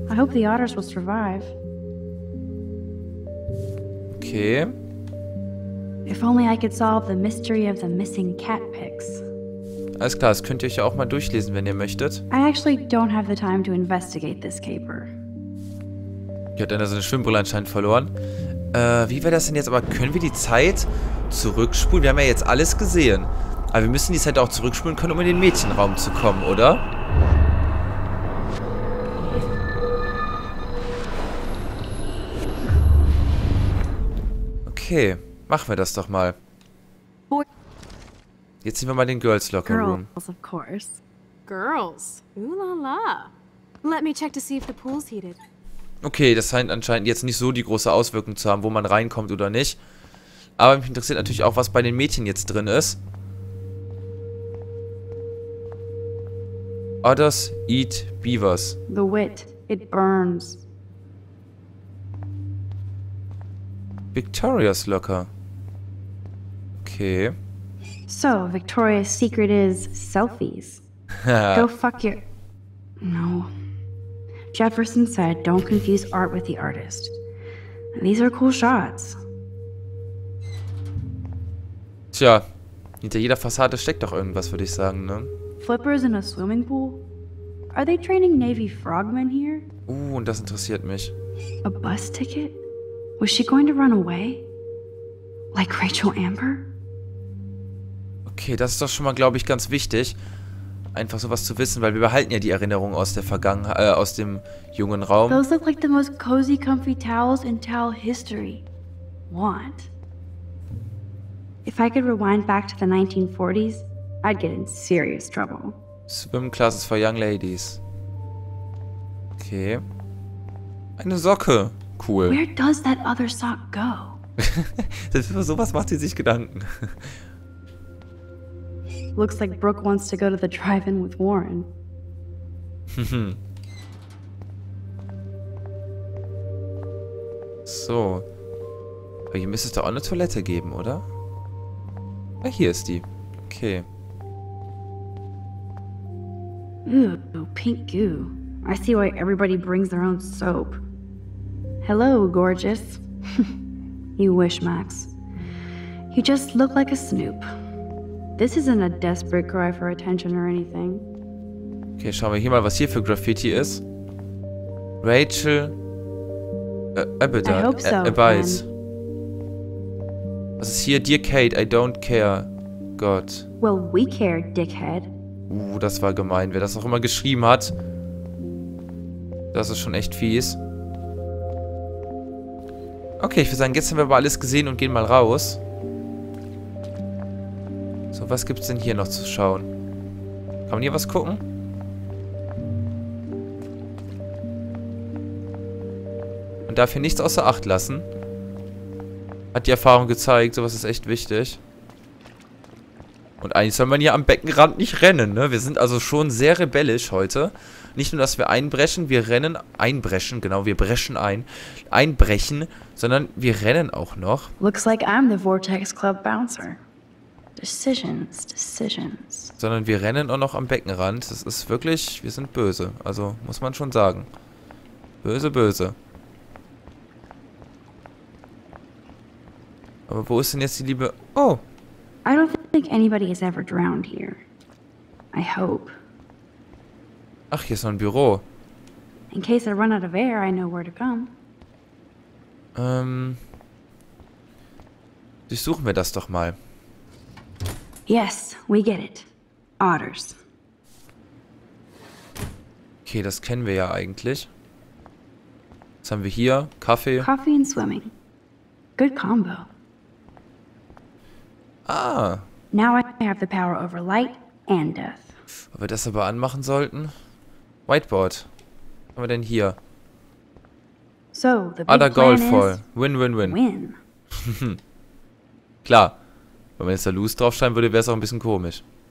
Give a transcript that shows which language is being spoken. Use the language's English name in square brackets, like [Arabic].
[English] I hope the otters will survive. Okay. If only I could solve the mystery of the missing cat pics. [German] Alles klar, das könnt ihr euch ja auch mal durchlesen, wenn ihr möchtet. [English] I actually don't have the time to investigate this caper. [German] Die hat einer seine Schwimmbrille anscheinend verloren. Wie wäre das denn jetzt? Aber können wir die Zeit zurückspulen? Wir haben ja jetzt alles gesehen. Aber wir müssen die Zeit auch zurückspulen können, um in den Mädchenraum zu kommen, oder? Okay, machen wir das doch mal. Jetzt nehmen wir mal den Girls Locker Room. [English] Girls, of course. Girls? Ooh la la. Let me check to see if the pool's heated. [German] Okay, das scheint anscheinend jetzt nicht so die große Auswirkung zu haben, wo man reinkommt oder nicht. Aber mich interessiert natürlich auch, was bei den Mädchen jetzt drin ist. [English] Others eat beavers. The wit, it burns. Victoria's locker. Okay. So, Victoria's secret is selfies. Go fuck your... No. Jefferson said, don't confuse art with the artist. These are cool shots. [German] Tja, hinter jeder Fassade steckt doch irgendwas, würde ich sagen, ne? [English] Flippers in a swimming pool? Are they training Navy frogmen here? [German] Und das interessiert mich. [English] A bus ticket? Was she going to run away? Like Rachel Amber? [German] Okay, das ist doch schon mal, glaube ich, ganz wichtig. Einfach sowas zu wissen, weil wir behalten ja die Erinnerung aus der Vergangenheit, aus dem jungen Raum. [English] Those look like the most cozy, comfy towels in towel history. Want? If I could rewind back to the 1940s, I'd get in serious trouble. Swim classes for young ladies. Okay. [German] Eine Socke. [English] Cool. Where does that other sock go? [German] Für sowas macht sie sich Gedanken. [English] Looks like Brooke wants to go to the drive-in with Warren. So. [German] Aber hier müsste es doch auch eine Toilette geben, oder? Ah, hier ist die. Okay. [English] Ooh, pink goo. I see why everybody brings their own soap. Hello, gorgeous. You wish, Max. You just look like a snoop. This isn't a desperate cry for attention or anything. [German] Okay, schauen wir hier mal, was hier für Graffiti ist. Rachel Abbott. Was ist hier? [English] Dear Kate, I don't care. Gott. Well, we care, dickhead. [German] Das war gemein. Wer das auch immer geschrieben hat, das ist schon echt fies. Okay, ich würde sagen, jetzt haben wir aber alles gesehen und gehen mal raus. So, was gibt's denn hier noch zu schauen? Kann man hier was gucken? Man darf hier nichts außer Acht lassen. Hat die Erfahrung gezeigt, sowas ist echt wichtig. Und eigentlich soll man hier am Beckenrand nicht rennen, ne? Wir sind also schon sehr rebellisch heute. Nicht nur, dass wir einbrechen, wir rennen, einbrechen, genau, wir brechen ein, einbrechen, sondern wir rennen auch noch. [English] Looks like I'm the Vortex Club Bouncer. Decisions, decisions. [German] Sondern wir rennen auch noch am Beckenrand. Das ist wirklich, wir sind böse. Also, muss man schon sagen. Böse, böse. Aber wo ist denn jetzt die liebe... Oh! [English] I don't think anybody has ever drowned here. I hope. [German] Ach, hier ist noch ein Büro. [English] In case I run out of air, I know where to come. [German] Durchsuchen wir das doch mal. [English] Yes, we get it. Otters. [German] Okay, das kennen wir ja eigentlich. Was haben wir hier? Kaffee. [English] Coffee and swimming. Good combo. Ah. Now I have the power over light and death. [German] Ob wir das aber anmachen sollten? Whiteboard. Was haben wir denn hier? [English] So, the big Other goal fall. Win-win-win. Win. [German] Klar. Wenn man jetzt da lose draufschreiben würde, wäre es auch ein bisschen komisch.